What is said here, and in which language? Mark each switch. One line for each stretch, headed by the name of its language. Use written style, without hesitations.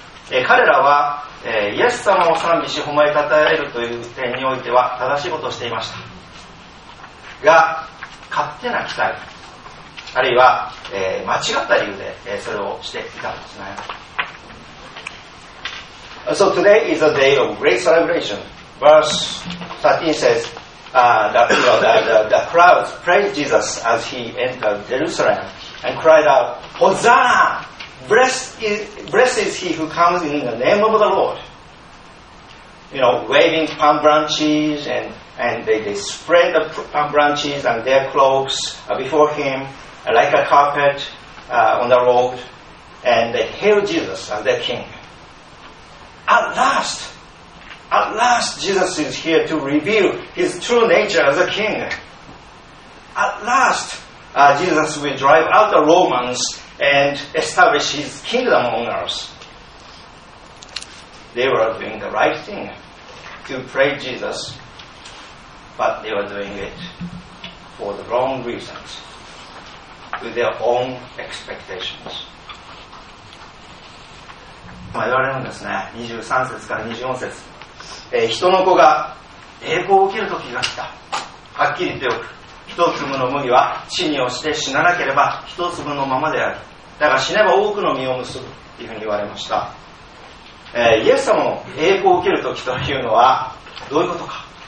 Japanese: 彼らは、イエス様を賛美し誉れ称えるという点においては正しいことをしていましたが、勝手な期待あるいは、間違った理由で、それをしていたんですね。
English: So today is a day of great celebration. Verse 13 says the crowds praised Jesus as he entered Jerusalem and cried out, Hosanna! Blessed is he who comes in the name of the Lord. You know, waving palm branches and they spread the palm branches and their cloaks before him like a carpet on the road, and they hailed Jesus as their king. At last, Jesus is here to reveal his true nature as a king. At last, Jesus will drive out the Romans and establish his kingdom on earth. They were doing the right thing to praise Jesus, but they were doing it for the wrong reasons, with their own expectations.
Japanese: 言われるんですね。 23節から24節、人の子が栄光を受ける時が来た。はっきり言っておく、一粒の麦は地に落ちて死ななければ一粒のままである。だが死ねば多くの実を結ぶというふうに言われました。イエス様の栄光を受ける時というのはどういうことか。